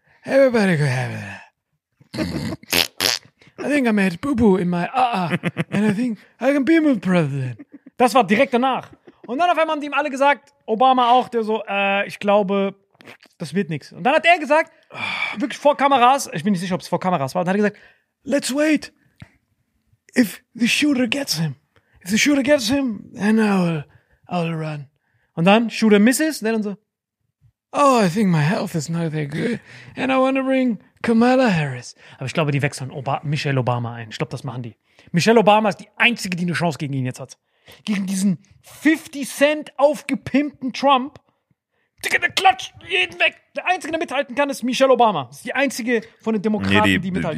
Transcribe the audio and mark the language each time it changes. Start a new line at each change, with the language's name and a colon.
English: Everybody go have it. I think I made poo-poo in my And I think I can be my president.
German: Das war direkt danach. Und dann auf einmal haben die ihm alle gesagt, Obama auch, der so, ich glaube... Das wird nichts. Und dann hat er gesagt, wirklich vor Kameras, ich bin nicht sicher, ob es vor Kameras war, dann hat er gesagt,
English: let's wait. If the shooter gets him, then I'll run.
German: Und dann,
English: Shooter misses,
German: dann so,
English: oh, I think my health is not that good. And I want to bring Kamala Harris.
German: Aber ich glaube, die wechseln Michelle Obama ein. Ich glaube, das machen die. Michelle Obama ist die Einzige, die eine Chance gegen ihn jetzt hat. Gegen diesen 50 Cent aufgepimpten Trump. Digga, der klatscht jeden weg. Der Einzige, der mithalten kann, ist Michelle Obama. Das ist die Einzige von den Demokraten, nee, die mithalten kann.